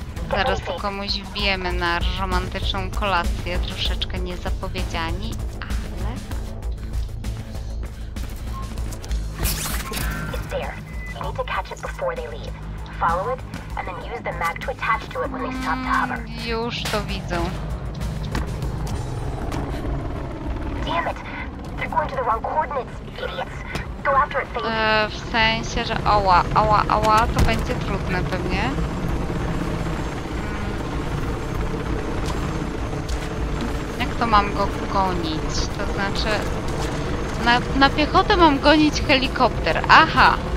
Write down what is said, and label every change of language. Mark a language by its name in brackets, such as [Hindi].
[Polish] Zaraz tu komuś wbijemy na romantyczną kolację, troszeczkę niezapowiedziani, ale. [English] It's there. You need to catch it before they leave. Follow it and then use the mag to attach to it when they stop to hover. [Polish] Już to widzą. [English] Damn it! They're going to the wrong coordinates, idiots! Go after it, Fate. [Polish] W sensie, że oła, oła, oła, to będzie trudne pewnie. To mam go gonić, to znaczy na piechotę mam gonić helikopter. Aha!